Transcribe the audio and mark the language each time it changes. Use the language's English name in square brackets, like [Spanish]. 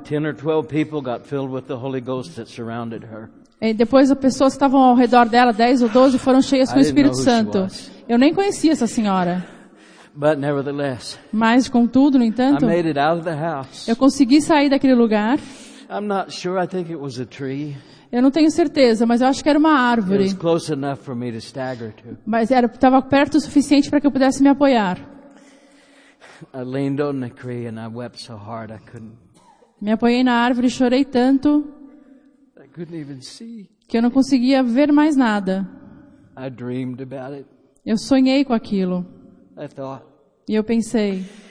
[English] 10 or 12 people got filled with the Holy Ghost that surrounded her. [Portuguese] E depois as pessoas que estavam ao redor dela, 10 ou 12, foram cheias com o Espírito Santo. Eu nem conhecia essa senhora. [English] But nevertheless, [Portuguese] mas contudo, no entanto, [English] I made it out of the house. [Portuguese] Eu consegui sair daquele lugar. [English] I'm not sure, I think it was a tree. [Portuguese] Eu não tenho certeza, mas eu acho que era uma árvore. [English] It was close enough for me to stagger to. [Portuguese] Mas estava perto o suficiente para que eu pudesse me apoiar. [English] I leaned on the tree and I wept so hard I couldn't. [Portuguese] Me apoiei na árvore e chorei tanto. [English] I couldn't even see. [Portuguese] Que eu não conseguia ver mais nada. [English] I dreamed about it. [Portuguese] Eu sonhei com aquilo. [English] I thought, [Portuguese] e eu pensei.